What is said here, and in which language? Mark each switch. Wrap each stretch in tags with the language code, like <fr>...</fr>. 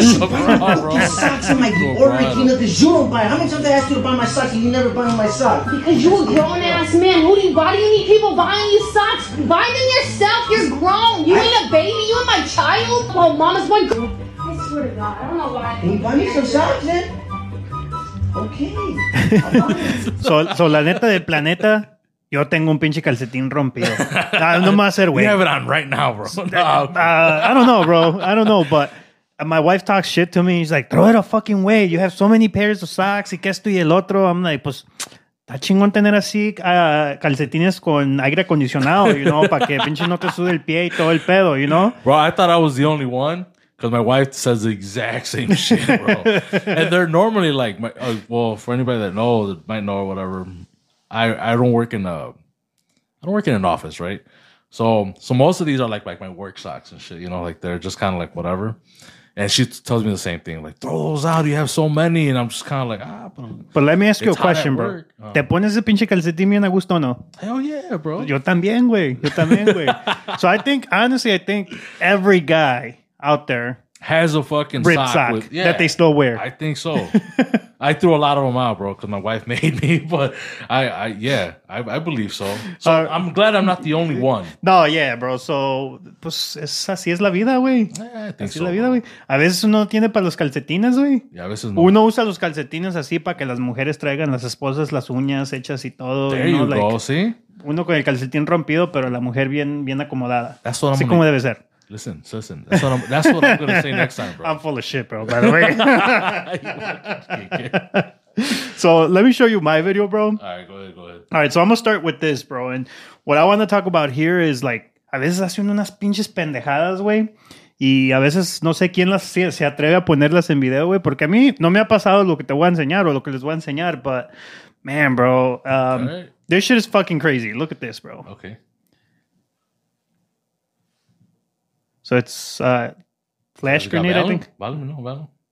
<en>These socks are my Bikini. How many times I asked you to buy my socks and you never buy my socks? Because you a grown ass man. Why do you need people buying you socks? Buy them yourself. You're grown. You ain't a baby. You ain't my child. Oh, mama's my girl. I swear to God, I don't know why. Can you buy me some socks, man? Okay.</en> <es>So la neta del planeta, yo tengo un pinche calcetín rompido. No me va a hacer, güey.</es> <en>You have it on right now, bro. I don't know, bro. I don't know, but my wife talks shit to me. She's like, throw it a fucking way. You have so many pairs of socks.</en> <es>¿Y qué es tú y el otro?</es> <en>I'm like,</en> <es>pues, está chingón tener así calcetines con aire acondicionado, you know, para que pinche no te sude el pie y todo el pedo, you know?</es> <en>Bro, I thought I was the only one. Because my wife says the exact same shit, bro. And they're normally like, for anybody that knows, might know or whatever, I don't work in an office, right? So most of these are like my work socks and shit, you know, like they're just kind of like whatever. And she tells me the same thing, like, throw those out. You have so many. And I'm just kind of like, But let me ask you a question, bro.</en> <es>¿Te pones ese pinche calcetín bien a gusto o no?</es> <en>Hell yeah, bro.</en> <es>Yo también, güey. Yo también, güey.</es> <en>So I think, honestly, I think every guy out there has a fucking ripped sock with, that they still wear. I think so. I threw a lot of them out, bro, because my wife made me. But I believe so. So I'm glad I'm not the only one.</en> <es>No, yeah, bro. So, pues, así es la vida, güey. Así es la vida, güey. A veces uno tiene para los calcetines, güey. Yeah, a veces no. Uno usa los calcetines así para que las mujeres traigan las esposas, las uñas hechas y todo.</es> <en>There you go, like, ¿sí?</en> <es>Uno con el calcetín rompido, pero la mujer bien, bien acomodada.</es> <en>That's what</en> <es>así como debe ser.</es> <en>Listen. That's what I'm going to say next time, bro. I'm full of shit, bro, by the way. So let me show you my video, bro. All right, go ahead. All right, so I'm going to start with this, bro. And what I want to talk about here is, like,</en> <es>a veces hacen unas pinches pendejadas, güey. Y a veces no sé quién las se atreve a ponerlas en video, güey. Porque a mí no me ha pasado lo que te voy a enseñar o lo que les voy a enseñar.</es> <en>But, man, bro, this shit is fucking crazy. Look at this, bro. Okay. So it's a flash grenade, I think.</en> <es>Vale, no, vale.</es>